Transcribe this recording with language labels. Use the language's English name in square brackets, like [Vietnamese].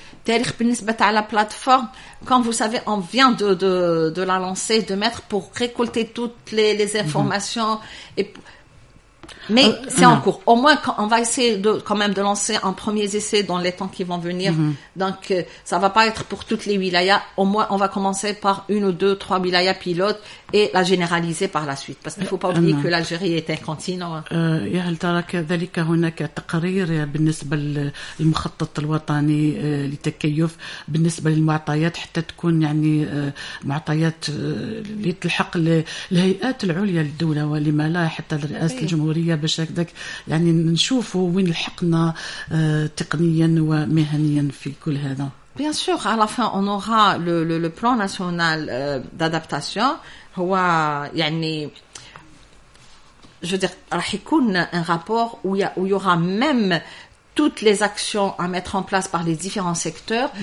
[French] Tarif [Arabic] بالنسبه تاع [French] la plateforme, comme vous savez, on vient de la lancer, de mettre pour récolter toutes les informations et mais c'est en cours. Au moins, on va essayer de lancer un premier essai dans les temps qui vont venir. Mm-hmm. Donc, ça va pas être pour toutes les wilayas. Au moins, on va commencer par une ou deux, trois wilayas pilotes et la généraliser par la suite. Parce qu'il faut pas oublier que l'Algérie est un continent. [Arabic] هل ترى كذلك هناك تقرير بالنسبة للمخطط الوطني للتكيف بالنسبة للمعطيات حتى تكون يعني معطيات لتلحق للهيئات العليا للدولة ولما لا حتى لرئاسة الجمهورية باش هكذاك يعني نشوفوا وين لحقنا تقنيا ومهنيا في كل هذا. [French] Bien sûr, à la fin, on aura le plan national d'adaptation. [Arabic] هو يعني, [French] je veux dire, [Arabic] راح يكون [French] un rapport où il y aura même toutes les actions à mettre en place par les différents secteurs.